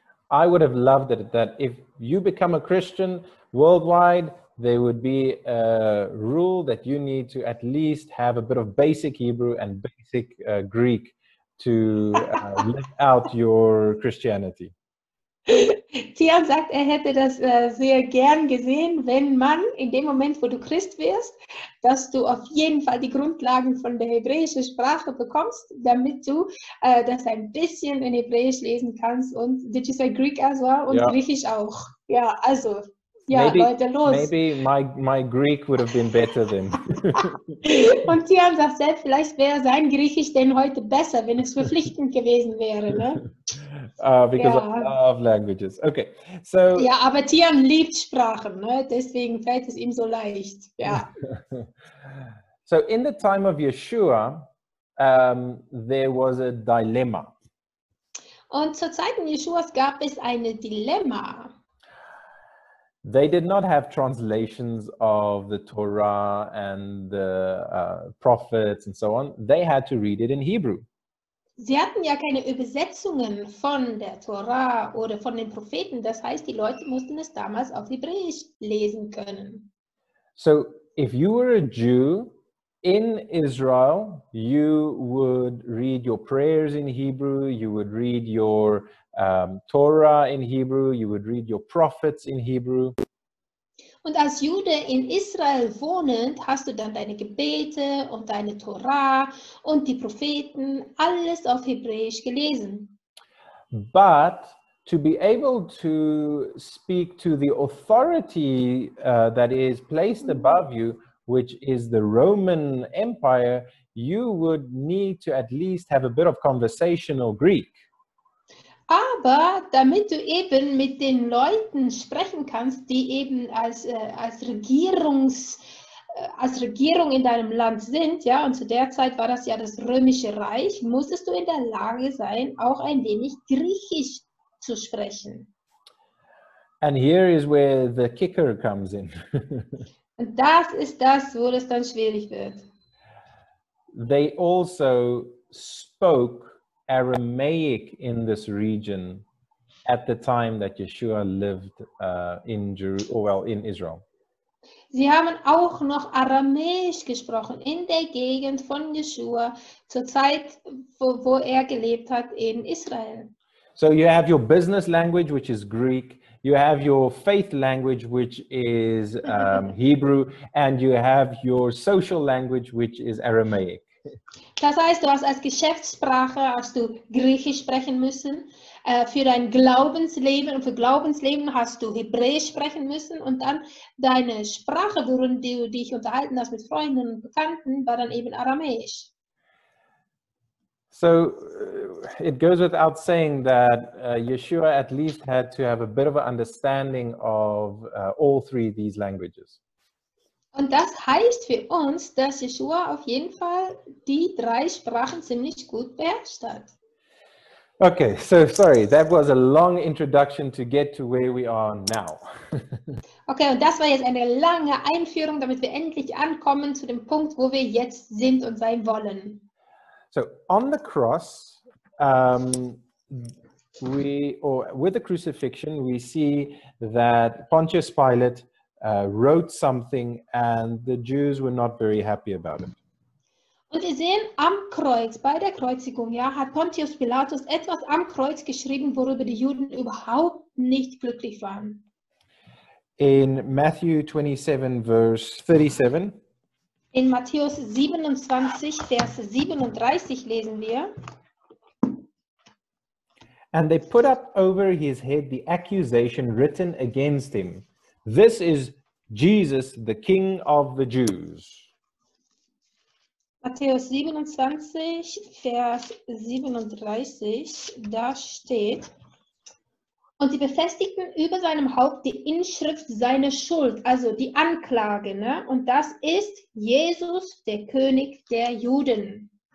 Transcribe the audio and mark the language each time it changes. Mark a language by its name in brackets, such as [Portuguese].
[English] I would have loved it that if you become a Christian worldwide, there would be a rule that you need to at least have a bit of basic Hebrew and basic Greek to live out your Christianity. [German] Tian sagt, hätte das sehr gern gesehen, wenn man in dem Moment, wo du Christ wirst, dass du auf jeden Fall die Grundlagen von der hebräischen Sprache bekommst, damit du das ein bisschen in Hebräisch lesen kannst. [English] Und did you say Greek as well? [German] Und yeah. Griechisch auch. Ja, also. Ja, [English] maybe, [German] Leute, los. [English] Maybe my Greek would have been better then. [German] Und Tian sagt selbst, vielleicht wäre sein Griechisch denn heute besser, wenn es verpflichtend gewesen wäre, ne? [English] Because yeah. I love languages. Okay. So [German] yeah, aber Tian liebt Sprachen, ne? Deswegen fällt es ihm so leicht. [English] Yeah. So in the time of Yeshua, there was a dilemma. [German] Und zur Zeit Yeshuas gab es ein Dilemma. [English] They did not have translations of the Torah and the prophets and so on. They had to read it in Hebrew. [German] Sie hatten ja keine Übersetzungen von der Torah oder von den Propheten. Das heißt, die Leute mussten es damals auf Hebräisch lesen können. [English] So, if you were a Jew in Israel, you would read your prayers in Hebrew, you would read your Torah in Hebrew, you would read your prophets in Hebrew. [German] Und als Jude in Israel wohnend, hast du dann deine Gebete und deine Torah und die Propheten alles auf Hebräisch gelesen. [English] But to be able to speak to the authority that is placed above you, which is the Roman Empire, you would need to at least have a bit of conversational Greek. [German] Aber damit du eben mit den Leuten sprechen kannst, die eben als Regierung in deinem Land sind, ja, und zu der Zeit war das ja das Römische Reich, musstest du in der Lage sein, auch ein wenig Griechisch zu sprechen. [English] And here is where the kicker comes in. [German] Und das ist das, wo es dann schwierig wird. [English] They also spoke Aramaic in this region at the time that Yeshua lived in Israel. [German] Sie haben auch noch Aramäisch gesprochen in der Gegend von Yeshua zur Zeit, wo er gelebt hat in Israel. [English] So you have your business language, which is Greek, you have your faith language, which is Hebrew, and you have your social language, which is Aramaic. [German] Das heißt, du hast als Geschäftssprache hast du Griechisch sprechen müssen, für dein Glaubensleben und für Glaubensleben hast du Hebräisch sprechen müssen und dann deine Sprache, worin du dich unterhalten hast mit Freunden und Bekannten, war dann eben Aramäisch. [English] So, it goes without saying that Yeshua at least had to have a bit of an understanding of all three of these languages. [German] Und das heißt für uns, dass Yeshua auf jeden Fall die drei Sprachen ziemlich gut beherrscht hat. [English] Okay, so sorry, that was a long introduction to get to where we are now. [German] Okay, und das war jetzt eine lange Einführung, damit wir endlich ankommen zu dem Punkt, wo wir jetzt sind und sein wollen. [English] So, on the cross, with the crucifixion, we see that Pontius Pilate wrote something and the Jews were not very happy about it. [German] Und wir sehen am Kreuz, bei der Kreuzigung, ja, hat Pontius Pilatus etwas am Kreuz geschrieben, worüber die Juden überhaupt nicht glücklich waren. [English] In Matthew 27, verse 37. [German] In Matthäus 27, Vers 37 lesen wir. [English] And they put up over his head the accusation written against him. This is Jesus, the King of the Jews. [German] Matthäus 27, Vers 37, da steht: Und sie befestigten über seinem Haupt die Inschrift seiner Schuld, also die Anklage, ne? Und das ist Jesus, der König der Juden.